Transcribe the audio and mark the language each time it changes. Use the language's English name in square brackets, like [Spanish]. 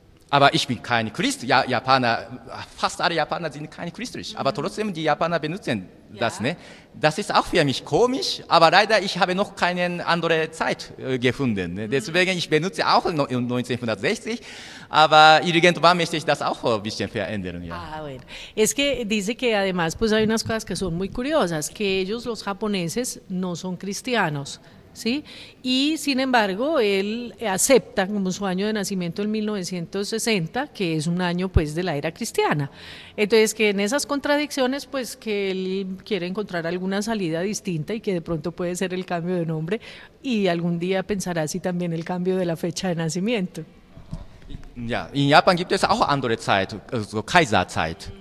[German] Aber ich bin kein Christ. Ja, Japaner, fast alle Japaner sind kein christlich. Mhm. Aber trotzdem, die Japaner benutzen das. Ja. Ne? Das ist auch für mich komisch, aber leider, ich habe noch keine andere Zeit gefunden. Ne? Deswegen, ich benutze auch 1960. Aber irgendwann möchte ich das auch ein bisschen verändern. Ja. [Spanish] Ah, bueno. Es que dice que además pues hay unas cosas que son muy curiosas, que ellos, los japoneses, no son cristianos, ¿sí? Y sin embargo, él acepta como su año de nacimiento el 1960, que es un año pues de la era cristiana. Entonces, que en esas contradicciones, pues que él quiere encontrar alguna salida distinta y que de pronto puede ser el cambio de nombre y algún día pensará así también el cambio de la fecha de nacimiento. [German] Ja, in Japan gibt es auch andere Zeit, so Kaiserzeit.